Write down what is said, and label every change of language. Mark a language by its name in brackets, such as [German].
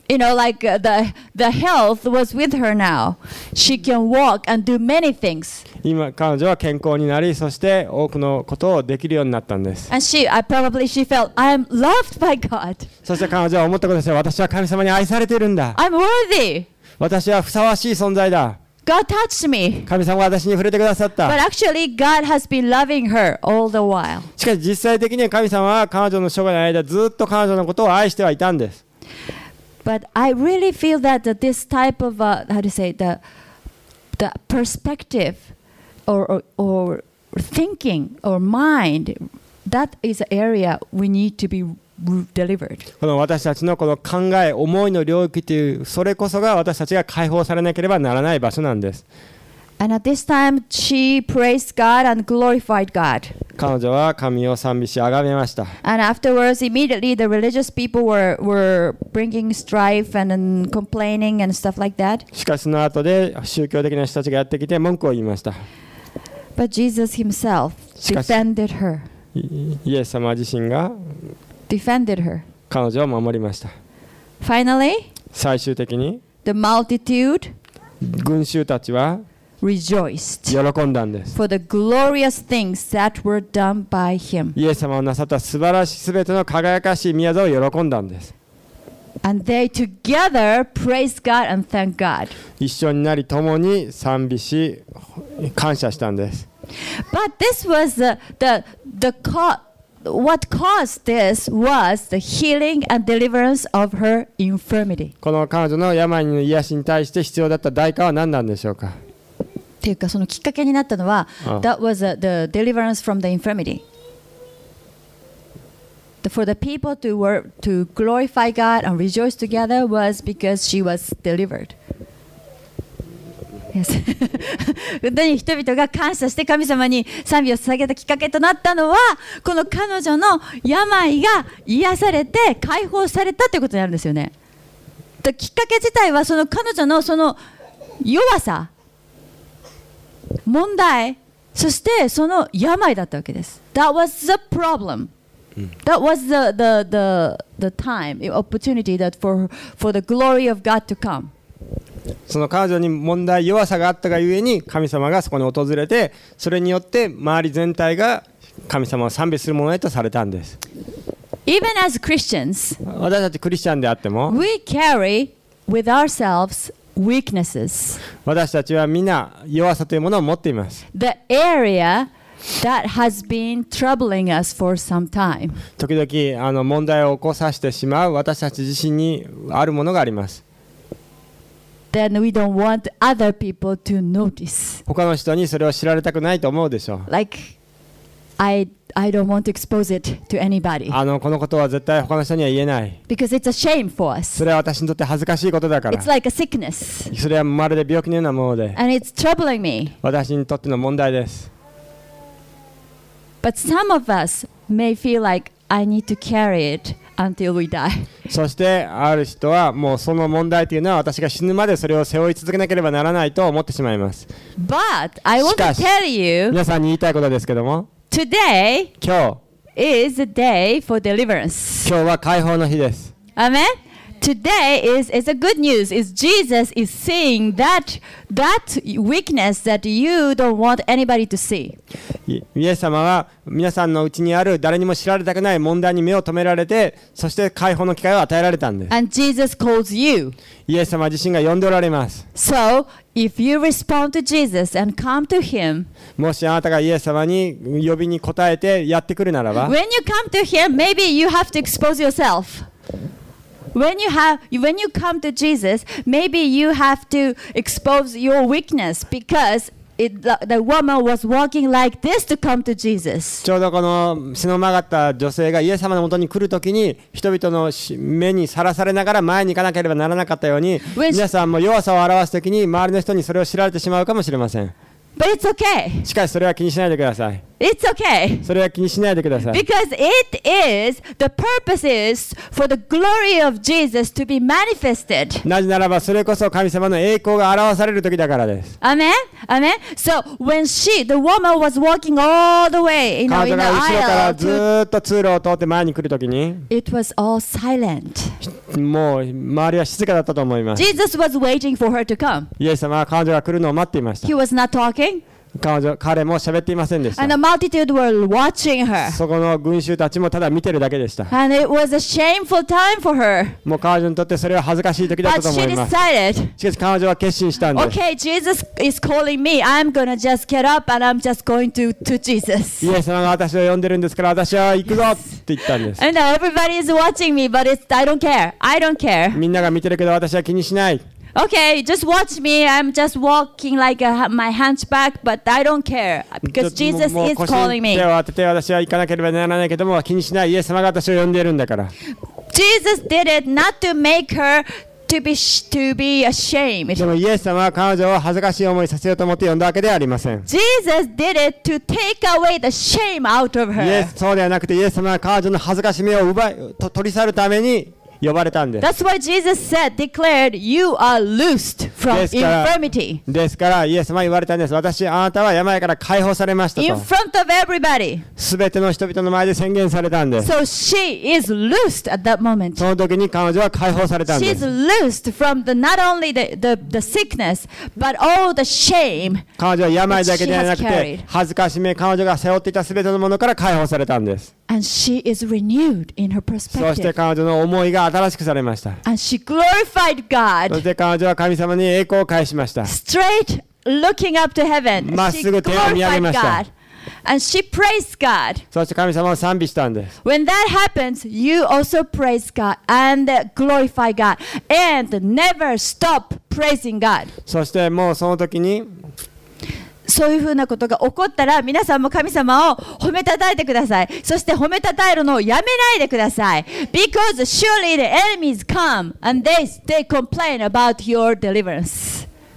[English] You know, like the health was with her now. She can walk and do many things. [Japanese] 今彼女は健康になり、そして多くのことをできるようになったんです。 [English] And she probably felt I'm loved by God. [Japanese] そして彼女は思ったことですよ。私は神様に愛されているんだ。 [English] I'm worthy. [Japanese] 私はふさわしい存在だ。 [English] God touched me. [Japanese] 神様が私に触れてくださった。 [English] But actually, God has been loving her all the while. [Japanese] しかし実際的には神様は彼女の生涯の間ずっと彼女のことを愛してはいたんです。 [English] But I really feel that this type of the perspective or thinking or mind that is an area we need to be delivered. [Japanese] この私たちのこの考え思いの領域というそれこそが私たちが解放されなければならない場所なんです。 [English] And at this time, she praised God and glorified God. [Japanese] 彼女は神を賛美し崇めました。 [English] And afterwards, immediately the religious people were bringing strife and complaining and stuff like that. [Japanese] しかしその後で宗教的な人たちがやってきて文句を言いました。 [English] But Jesus himself defended her. [Japanese] イエス様自身が [English] defended her. [Japanese] 彼女を守りました。 [English] Finally, [Japanese] 最終的に [English] the multitude [Japanese] 群衆たちは [English] rejoiced [Japanese] 喜んだんです。 [English] for the glorious things that were done by him. [Japanese] イエス様をなさった素晴らしい全ての輝かしい宮座を喜んだんです。 [English] And they together praise God and thank God. [Japanese] 一緒になり共に賛美し感謝したんです。 [English] But this was the what caused this was the healing and deliverance of her infirmity. [Japanese] この彼女の病の癒しに対して必要だった代価は何なんでしょうか。っていうかそのきっかけになったのは [English] that was the deliverance from the infirmity. For the people to work to glorify God and rejoice together was because she was delivered. Yes. Then, [Japanese] 人々が感謝して神様に賛美を捧げたきっかけとなったのは、この彼女の病が癒されて解放されたということになるんですよね。 [English] The [Japanese] きっかけ自体はその彼女のその弱さ、問題、そしてその病だったわけです。 [English] That was the problem. That was the time, the opportunity that for the glory of God to come. [Japanese] その彼女に問題弱さがあったがゆえに神様がそこに訪れて、それによって周り全体が神様を賛美するものへとされたんです。 [English] Even as Christians, [Japanese] 私たちクリスチャンであっても、 [English] we carry with ourselves weaknesses. [Japanese] 私たちはみんな弱さというものを持っています。 [English] The area. That has been troubling us for some time. [Japanese] 時々問題を起こさせてしまう私たち自身にあるものがあります。 [English] Then we don't want other people to notice. [Japanese] 他の人にそれを知られたくないと思うでしょう。 [English] Like I don't want to expose it to anybody. [Japanese] このことは絶対他の人には言えない。 [English] Because it's a shame for us. [Japanese] それは私にとって恥ずかしいことだから。 [English] It's like a sickness. [Japanese] それはまるで病気のようなもので。 [English] And it's troubling me. [Japanese] 私にとっての問題です。 [English] But some of us may feel like I need to carry it until we die. [Japanese] そしてある人はもうその問題というのは私が死ぬまでそれを背負い続けなければならないと思ってしまいます。 [English] But I want to tell you. [Japanese] 皆さんに言いたいことですけども。 [English] Today. [Japanese] 今日。 [English] Is a day for deliverance. [Japanese] 今日は解放の日です。 [English] Amen. Today is a good news. Is Jesus is seeing that weakness that you don't want anybody to see. [Japanese] イエス様は皆さんのうちにある誰にも知られたくない問題に目を止められて、そして解放の機会を与えられたんです。 [English] And Jesus calls you. [Japanese] イエス様自身が呼んでおられます。 [English] So if you respond to Jesus and come to Him, [Japanese] もしあなたがイエス様に呼びに応えてやってくるならば、 [English] When you come to Him, maybe you have to expose yourself. When you come to Jesus, maybe you have to expose your weakness because the woman was walking like this to come to Jesus. [Japanese] ちょうどこの背の曲がった女性がイエス様のもとに来るときに、人々の目にさらされながら前に行かなければならなかったように、皆さんも弱さを表すときに周りの人にそれを知られてしまうかもしれません。 [English] But it's okay. [Japanese] しかしそれは気にしないでください。 [English] It's okay. [Japanese] それは気にしないでください。 [English] Because it is the purpose is for the glory of Jesus to be manifested. [Japanese] なぜならばそれこそ神様の栄光が表される時だからです。 [English] Amen. Amen. So when the woman was walking all the way in the aisle, [Japanese] 彼女が後ろからずっと通路を通って前に来る時に、 [English] it was all silent. [Japanese] もう周りは静かだったと思います。 [English] Jesus was waiting for her to come. [Japanese] イエス様は彼女が来るのを待っていました。 [English] He was not talking. [Japanese] 彼も喋っていませんでした。 [English] And the multitude were watching her. [Japanese] そこの群衆たちもただ見てるだけでした。 [English] And it was a shameful time for her. [Japanese] もう彼女にとってそれは恥ずかしい時だったと思います。 [English] But she decided. [Japanese] しかし彼女は決心したんです。 [English] Okay, Jesus is calling me. I'm gonna just get up and I'm just going to Jesus. [Japanese] イエス様が私を呼んでるんですから私は行くぞって言ったんです。 [English] And everybody is watching me, but I don't care. I don't care. [Japanese] みんなが見てるけど私は気にしない。 [English] Okay, just watch me. I'm just walking like my hunchback, but I don't care because Jesus is calling me. [Japanese] 手を当てて私は行かなければならないけども気にしない。イエス様が私を呼んでいるんだから。 [English] Jesus did it not to make her to be ashamed. [Japanese] でもイエス様は彼女を恥ずかしい思いさせようと思って呼んだわけではありません。 [English] Jesus did it to take away the shame out of her. [Japanese] そうではなくてイエス様は彼女の恥ずかしみを取り去るために呼ばれたんです。 [English] That's why Jesus said, declared, you are loosed from infirmity. [Japanese] ですから、イエス様は言われたんです。私、あなたは病から解放されましたと。 [English] In front of everybody. [Japanese] すべての人々の前で宣言されたんです。 [English] So she is loosed at that moment. [Japanese] その時に彼女は解放されたんです。 [English] She is loosed from the, not only the sickness, but all the shame. [Japanese] 彼女は病だけではなくて、恥ずかしめ、彼女が背負っていたすべてのものから解放されたんです。 [English] And she is renewed in her perspective. [Japanese] そして彼女の思いが新しくされました。 [English] And she glorified God. [Japanese] そして彼女は神様に栄光を返しました。 [English] Straight looking up to heaven. [Japanese] まっすぐ天を見上げました。 [English] And she praised God. [Japanese] そして神様を賛美したんです。 [English] When that happens, you also praise God and glorify God and never stop praising God. [Japanese] そしてもうその時に。そういうふうなことが起こったら、皆さんも神様を褒めたたえてください。そして褒めたたえるのをやめないでください。 [English] Because surely the enemies come and they complain about your deliverance.